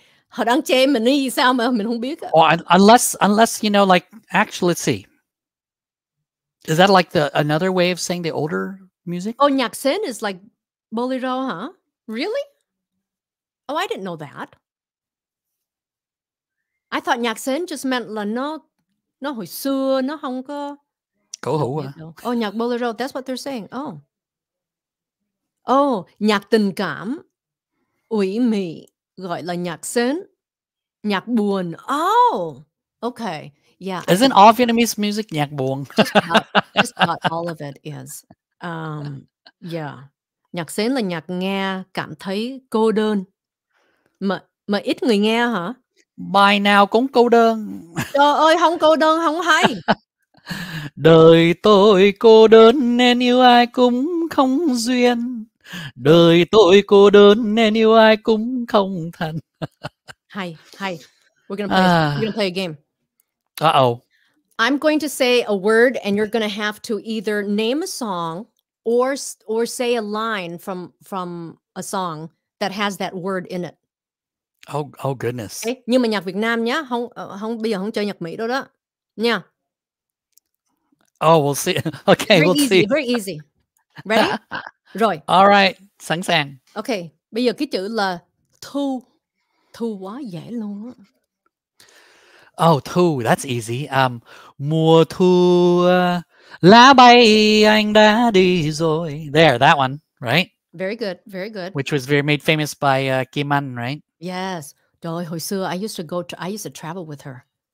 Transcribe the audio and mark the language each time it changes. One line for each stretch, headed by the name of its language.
Vietnamese: họ đang chê mình như sao mà mình không biết.
English: Or unless you know, like actually, let's see. Is that like another way of saying the older music? Oh, nhạc sơn is like bolero, huh? Really? Oh, I didn't know that. I thought nhạc sơn just meant
Vietnamese: là nó hồi xưa, nó không có... Cổ hủ à?
English: Oh, nhạc bolero, that's what they're saying. Oh.
Vietnamese: Oh, nhạc tình cảm, ủy mị, gọi là nhạc sơn, nhạc buồn.
English: Oh, okay. Yeah. Isn't all Vietnamese music nhạc buồn? just about all of it is. Yeah.
Vietnamese: Nhạc sến là nhạc nghe cảm thấy cô đơn. Mà ít người nghe hả? Bài nào cũng cô đơn. Trời ơi, không cô đơn không hay. Đời tôi cô đơn nên yêu ai cũng không duyên. Đời tôi cô đơn nên yêu ai cũng không thành. Hay.
English: We're gonna play a game. Uh-oh. I'm going to say a word and you're going to have to either name a song or say a line from a song that has that word in it. Oh goodness. Okay.
Vietnamese: Nhưng mà nhạc Việt Nam nhá, không bây giờ không chơi nhạc Mỹ đâu đó. Nha.
English: Oh, we'll see. Okay, very we'll easy, see. Very easy. Ready?
Vietnamese: Rồi.
English: All right,
Vietnamese: sẵn sàng. Okay, bây giờ cái chữ là thu. Thu quá dễ luôn á.
English: Oh, thu, that's easy.
Vietnamese: Mùa thu, lá bay, anh đã đi rồi.
English: There, that one, right? Very good, very good. Which was very made famous by Kim Anh, right? Yes.
Vietnamese: Trời, hồi xưa,
English: I used to travel with her.